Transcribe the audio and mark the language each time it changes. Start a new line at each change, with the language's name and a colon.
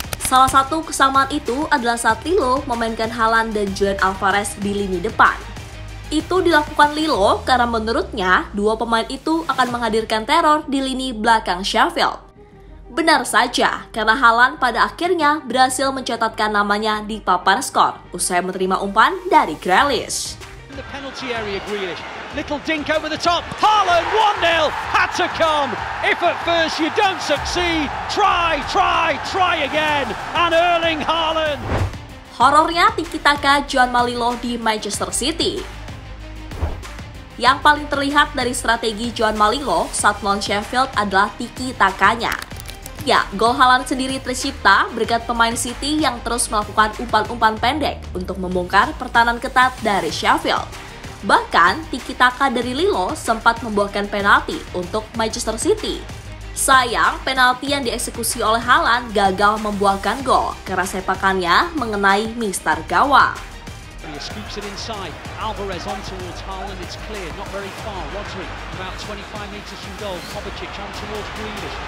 Indonesian: Salah satu kesamaan itu adalah saat Lilo memainkan Haaland dan Julian Alvarez di lini depan. Itu dilakukan Lilo karena menurutnya, dua pemain itu akan menghadirkan teror di lini belakang Sheffield. Benar saja, karena Haaland pada akhirnya berhasil mencatatkan namanya di papan skor usai menerima umpan dari Grealish.
English: The penalty area, Grealish. Little dink over the top. Haaland 1-0. Had to come. If at first you don't succeed, try again.
Indonesian: And Erling Haaland. Horornya tiki-taka Juan Malilo di Manchester City. Yang paling terlihat dari strategi Juan Malilo saat melawan Sheffield adalah tiki-takanya. Ya, gol Haaland sendiri tercipta berkat pemain City yang terus melakukan umpan-umpan pendek untuk membongkar pertahanan ketat dari Sheffield. Bahkan, tiki-taka dari Lilo sempat membuahkan penalti untuk Manchester City. Sayang, penalti yang dieksekusi oleh Haaland gagal membuahkan gol karena sepakannya mengenai mistar gawang.
English: He scoops it inside. Alvarez on towards Haaland. It's clear, not very far. Rodri, about 25 meters from goal. Kovacic on towards Grealish.